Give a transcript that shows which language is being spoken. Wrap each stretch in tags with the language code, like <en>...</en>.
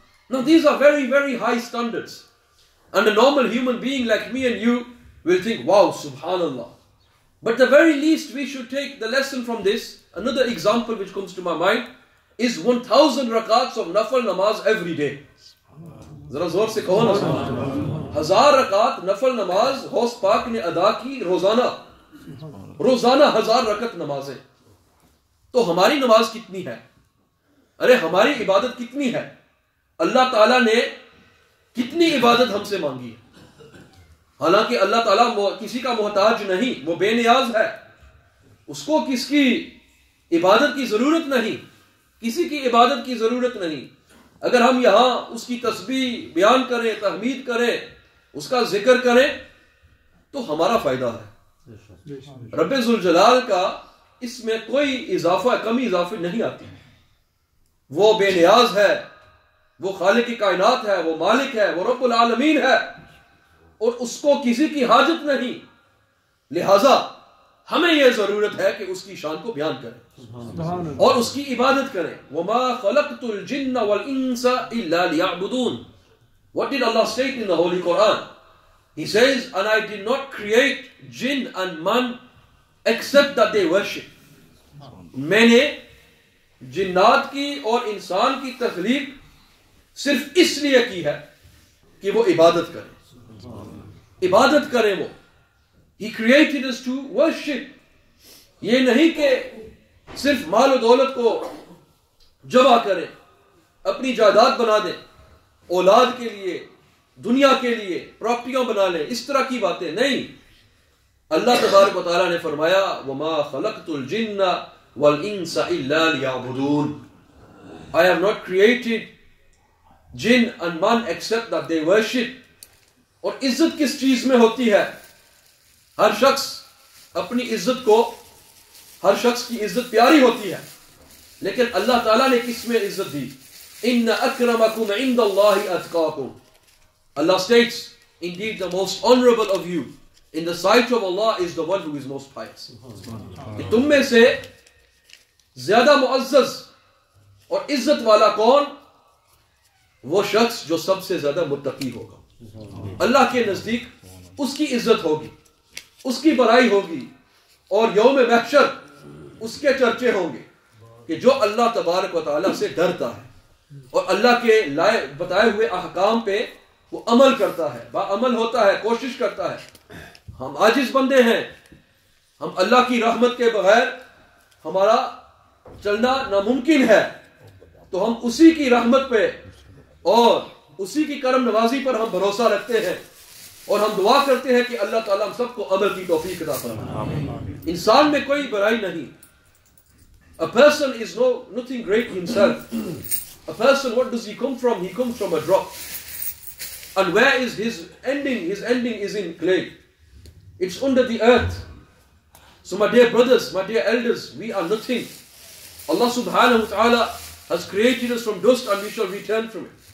<en>Now these are very, very high standards. And a normal human being like me and you will think, wow, subhanallah. But the very least we should take the lesson from this, another example which comes to my mind, is 1,000 rakats of nafal namaz every day.</en> <ur>ذرا زور سے کہو نا سبحان اللہ. ہزار رکعت نفل نماز غوث پاک نے ادا کی روزانہ, روزانہ ہزار رکعت نمازیں. تو ہماری نماز کتنی ہے, ارے ہماری عبادت کتنی ہے, اللہ تعالی نے کتنی عبادت ہم سے مانگی ہے. حالانکہ اللہ تعالیٰ کسی کا محتاج نہیں, وہ بے نیاز ہے, اس کو کس کی عبادت کی ضرورت نہیں, کسی کی عبادت کی ضرورت نہیں. اگر ہم یہاں اس کی تسبیح بیان کریں, تحمید کریں, اس کا ذکر کریں تو ہمارا فائدہ ہے. رب ذوالجلال کا اس میں کوئی اضافہ کمی اضافہ نہیں آتی. وہ بے نیاز ہے, وہ خالق کائنات ہے, وہ مالک ہے, وہ رب العالمین ہے, اور اس کو کسی کی حاجت نہیں. لہذا ہمیں یہ ضرورت ہے کہ اس کی شان کو بیان کریں اور اس کی عبادت کریں.</ur> <ar>وَمَا خَلَقْتُ الْجِنَّ وَالْإِنسَ إِلَّا لِيَعْبُدُونَ.</ar> <en>What did Allah state in the Holy Quran? He says, and I did not create jinn and man except that they worship.</en> <ur>میں نے جنات کی اور انسان کی تخلیق صرف اس لیے کی ہے کہ وہ عبادت کریں, عبادت کریں وہ.</ur> <en>He created us to worship.</en> <ur>یہ نہیں کہ صرف مال و دولت کو جمع کریں, اپنی جائیداد بنا دیں, اولاد کے لیے, دنیا کے لیے پراپرٹیاں بنا لیں, اس طرح کی باتیں نہیں. اللہ تبارک و تعالیٰ نے فرمایا</ur> <ar>وما خلقت الجن والانس الا لیعبدون.</ar> <en>I have not created jinn and man except that they worship.</en> <ur>اور عزت کس چیز میں ہوتی ہے؟ ہر شخص اپنی عزت کو, ہر شخص کی عزت پیاری ہوتی ہے, لیکن اللہ تعالیٰ نے کس میں عزت دی؟</ur> <ar>ان اکرمکم عند اللہ اتقاکم.</ar> <en>اللہ states, indeed the most honorable of you in the sight of Allah is the one who is most pious.</en> <ur>کہ تم میں سے زیادہ معزز اور عزت والا کون؟ وہ شخص جو سب سے زیادہ متقی ہوگا, اللہ کے نزدیک اس کی عزت ہوگی, اس کی بڑائی ہوگی, اور یوم محشر اس کے چرچے ہوں گے کہ جو اللہ تبارک و تعالیٰ سے ڈرتا ہے اور اللہ کے لائے بتائے ہوئے احکام پہ وہ عمل کرتا ہے, باعمل ہوتا ہے, کوشش کرتا ہے. ہم عاجز بندے ہیں, ہم اللہ کی رحمت کے بغیر ہمارا چلنا ناممکن ہے, تو ہم اسی کی رحمت پہ اور اسی کی کرم نوازی پر ہم بھروسہ رکھتے ہیں اور ہم دعا کرتے ہیں کہ اللہ تعالیٰ ہم سب کو عمل کی توفیق عطا فرمائے. انسان میں کوئی برائی نہیں.</ur> <en>A person is nothing great himself. A person, what does he come from? He comes from a drop. And where is his ending? His ending is in clay. It's under the earth. So my dear brothers, my dear elders, we are nothing. Allah subhanahu wa ta'ala has created us from dust and we shall return from it.</en>